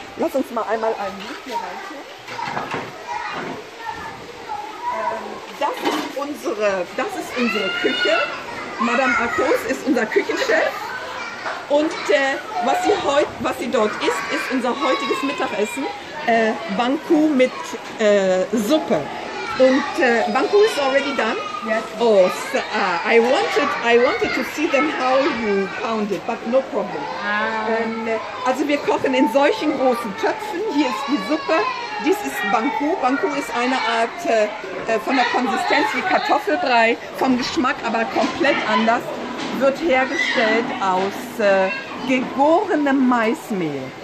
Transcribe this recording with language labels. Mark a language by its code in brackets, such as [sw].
[de] Lass uns mal einmal ein Licht hier reinschauen. Das ist unsere Küche. Madame Akos ist unser Küchenchef. Und was sie dort isst, ist unser heutiges Mittagessen. Banku mit Suppe. [en] Und Banku is already done. Yes. Oh, so, I wanted to see them how you pound it, but no problem. [de] Also wir kochen in solchen großen Töpfen. Hier ist die Suppe. Dies ist Banku. Banku ist eine Art von der Konsistenz wie Kartoffelbrei, vom Geschmack aber komplett anders. Wird hergestellt aus gegorenem Maismehl.